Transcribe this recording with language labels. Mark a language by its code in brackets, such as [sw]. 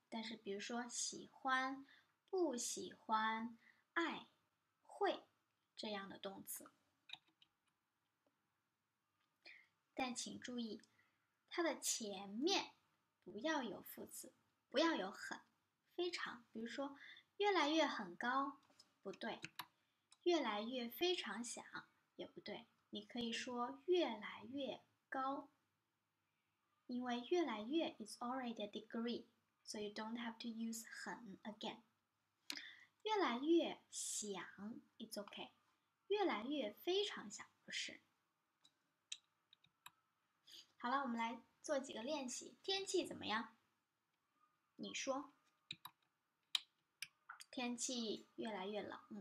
[zh] 但是比如说喜欢、不喜欢、爱、会这样的动词。但请注意，它的前面不要有副词，不要有很、非常。比如说越来越很高，不对。越来越非常响，也不对。你可以说越来越高，因为越来越 [en] is already a degree, so you don't have to use 很 again. [zh] 越来越响 [en] it's okay. [zh] 越来越非常响不是。好了，我们来做几个练习。天气怎么样？你说。天气越来越冷。